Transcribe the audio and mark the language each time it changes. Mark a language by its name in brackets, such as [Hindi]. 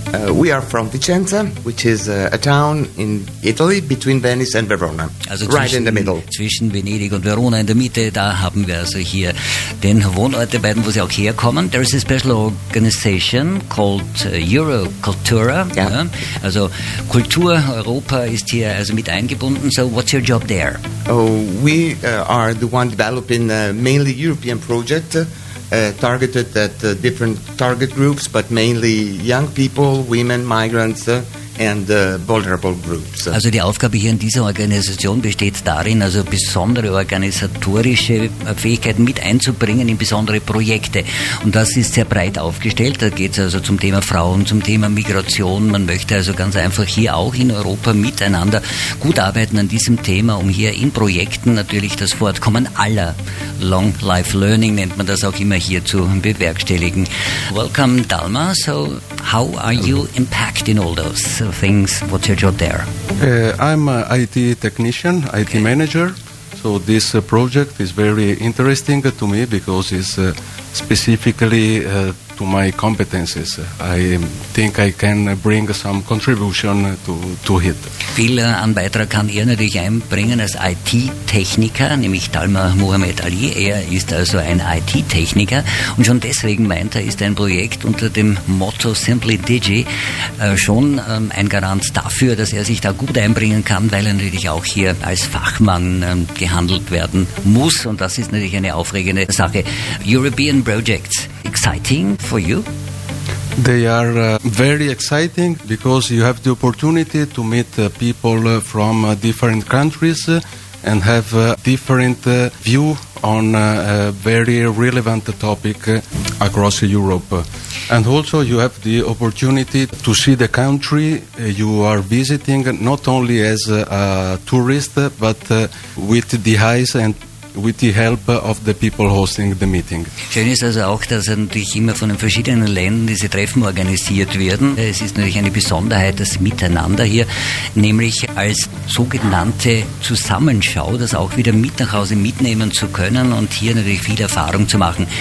[English] We are from Vicenza, which is a town in Italy between Venice and Verona, [German] also [English] right [German] zwischen, [English] in the middle. [German] Zwischen Venedig und Verona in der Mitte, da haben wir also hier den Wohnort der beiden, wo sie auch herkommen. [English] There is a special organization called Eurocultura. Yeah. Yeah. [German] Also Kultur Europa ist hier also mit eingebunden. [English] So what's your job there? Oh, we are the one developing a mainly European project. Targeted at different target groups, but mainly young people, women, migrants, and vulnerable groups. [German] Also die Aufgabe hier in dieser Organisation besteht darin, also besondere organisatorische Fähigkeiten mit einzubringen in besondere Projekte. Und das ist sehr breit aufgestellt. Da geht es also zum Thema Frauen, zum Thema Migration. Man möchte also ganz einfach hier auch in Europa miteinander gut arbeiten an diesem Thema, um hier in Projekten natürlich das Fortkommen aller Long Life Learning, nennt man das auch immer, hier zu bewerkstelligen. [English] Welcome, Dalma. So, how are you impacted in all those things? What's your job there? I'm an IT technician, IT okay. manager. So this project is very interesting to me because it's specifically to my competences. I think I can bring some contribution to it. [German] Viel an Beitrag kann er natürlich einbringen als IT-Techniker, nämlich Dalma Mohamed Ali. Er ist also ein IT-Techniker und schon deswegen meint er, ist ein Projekt unter dem Motto Simply Digi schon ein Garant dafür, dass er sich da gut einbringen kann, weil er natürlich auch hier als Fachmann gehandelt werden muss und das ist natürlich eine aufregende Sache. [English] European Projects, exciting for you? They are very exciting because you have the opportunity to meet people from different countries and have a different view on a very relevant topic across Europe. And also you have the opportunity to see the country you are visiting not only as a tourist but with the eyes and with the help of the people hosting the meeting. [German] Schön ist also auch, dass natürlich immer von den verschiedenen Ländern diese Treffen organisiert werden. Es ist natürlich eine Besonderheit, das Miteinander hier, nämlich als sogenannte Zusammenschau, das auch wieder mit nach Hause mitnehmen zu können und hier natürlich viel Erfahrung zu machen.